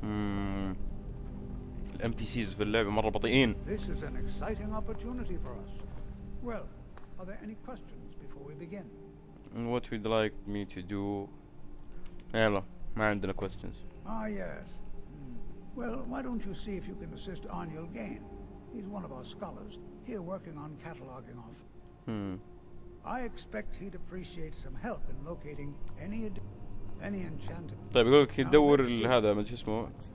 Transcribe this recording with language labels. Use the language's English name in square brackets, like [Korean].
[Arabic] الـ NPCs في اللعبة مرة بطيئين. [English] This is an exciting opportunity for us. Well, are there any questions before we begin? What would you like me to do? [Arabic] يلا، ما عندنا questions. [English] Ah yes. Well, why don't you see if you can assist Arniel Gain? He's one of our scholars here working on cataloging off. I expect he'd appreciate some help in locating any enchanted. [Arabic] طيب يقول لك يدور هذا ما ادري اسمه.